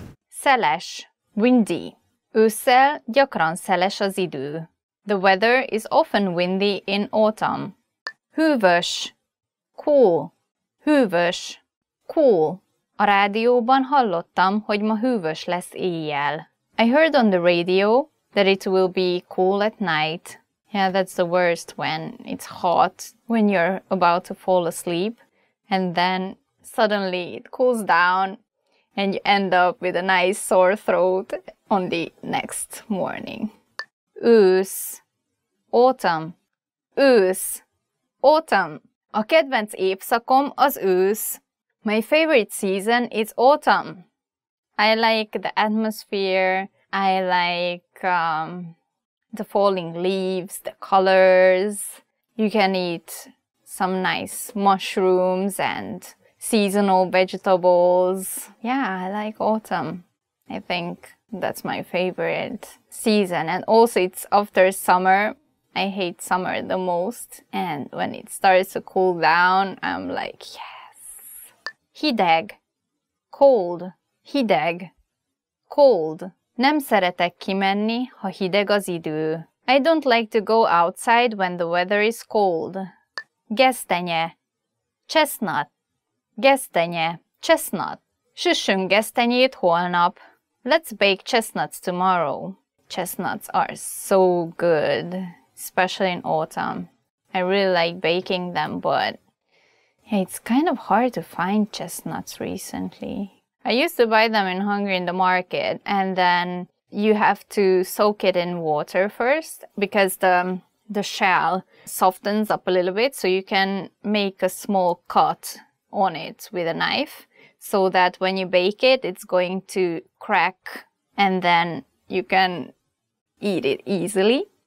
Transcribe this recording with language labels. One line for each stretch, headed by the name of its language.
Hungarian: Szeles,
English: windy.
Hungarian: Ősszel gyakran szeles az idő.
English: The weather is often windy in autumn.
Hungarian: Hűvös,
English: cool. Hűvös, cool.
Hungarian: A rádióban hallottam, hogy ma hűvös lesz éjjel.
English: I heard on the radio that it will be cool at night. Yeah, that's the worst when it's hot, when you're about to fall asleep, and then suddenly it cools down and you end up with a nice sore throat on the next morning.
Hungarian: Ősz,
English: autumn.
Hungarian: Ősz,
English: autumn.
Hungarian: A kedvenc évszakom az ősz.
English: My favorite season is autumn. I like the atmosphere, I like the falling leaves, the colors. You can eat some nice mushrooms and seasonal vegetables. Yeah, I like autumn. I think that's my favorite season. And also it's after summer. I hate summer the most. And when it starts to cool down, I'm like, yes.
Hungarian: Hideg,
English: cold. Hideg, cold.
Hungarian: Nem szeretek kimenni, ha hideg az idő.
English: I don't like to go outside when the weather is cold.
Hungarian: Gesztenye,
English: chestnut. Gesztenye, chestnut.
Hungarian: Süssünk gesztenyét holnap.
English: Let's bake chestnuts tomorrow. Chestnuts are so good, especially in autumn. I really like baking them, but it's kind of hard to find chestnuts recently. I used to buy them in Hungary in the market, and then you have to soak it in water first because the shell softens up a little bit, so you can make a small cut on it with a knife so that when you bake it, it's going to crack and then you can eat it easily.